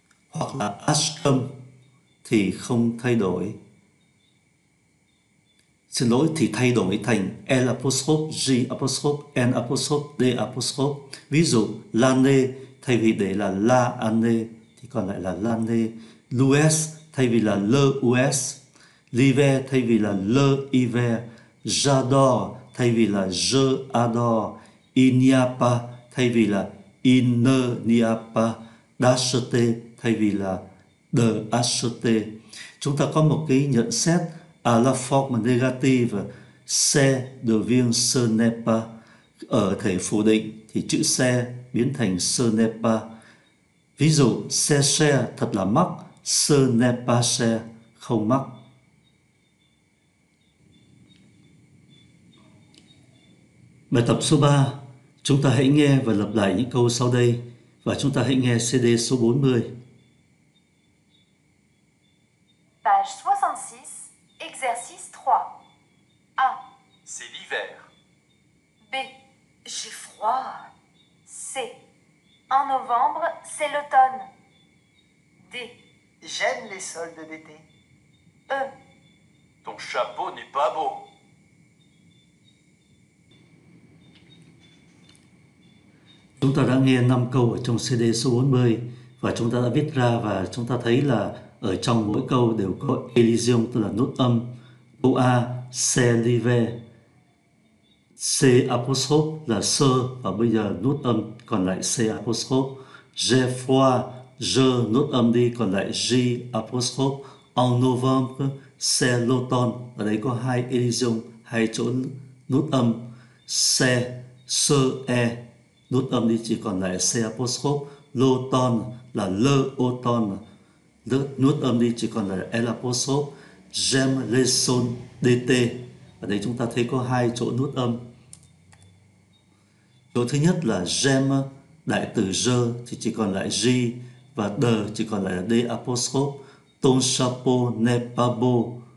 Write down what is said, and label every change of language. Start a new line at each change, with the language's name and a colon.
Vietnamese: Hoặc là ascom thì không thay đổi. Xin lỗi, thì thay đổi thành L apostrophe, J apostrophe, N apostrophe, D apostrophe. Ví dụ, l'année thay vì để là
French: la année
Vietnamese: thì còn lại là l'année. L'ouest thay vì là l'ouest. L'hiver thay vì là l'hiver.
French: J'adore
Vietnamese: thay vì là
French: je adore. Il n'y a pas thay vì là il n'y a pas.
Vietnamese: D'acheter thay vì là
French: de acheter.
Vietnamese: Chúng ta có một cái nhận xét.
French: À la forme négative, c'est devient ce n'est pas.
Vietnamese: Ở thể phủ định thì chữ c'est biến thành
French: ce n'est pas.
Vietnamese: Ví dụ,
French: c'est cher
Vietnamese: thật là mắc,
French: ce n'est pas cher
Vietnamese: không mắc. Bài tập số 3, Chúng ta hãy nghe và lặp lại những câu sau đây, và chúng ta hãy nghe CD số 40.
French: Page 66, exercice 3. A. C'est l'hiver. B. J'ai froid. C. En novembre, c'est l'automne. D. J'aime les soldes d'été. E. Ton chapeau n'est pas beau.
Vietnamese: Chúng ta đã nghe 5 câu ở trong CD số 40 và chúng ta đã viết ra, và chúng ta thấy là ở trong mỗi câu đều có Elysium, tức là nốt âm. Câu A,
French: c'est l'hiver.
Vietnamese: C apostrophe là sơ, và bây giờ nốt âm còn lại C apostrophe.
French: J'ai froid,
Vietnamese: je nốt âm đi, còn lại J apostrophe.
French: En novembre, c'est l'automne.
Vietnamese: Ở đây có hai Elysium, hai chỗ nốt âm. C, E. Nốt âm đi, chỉ còn lại C apostrophe. L'automne là l'automne. Nốt âm đi, chỉ còn lại L apostrophe.
French: J'aime les soldes d'été.
Vietnamese: Ở đây chúng ta thấy có hai chỗ nốt âm. Chỗ thứ nhất là j'aime, đại từ je thì chỉ còn lại j, và de chỉ còn lại d apostrophe.
French: Ton chapeau n'est pas beau.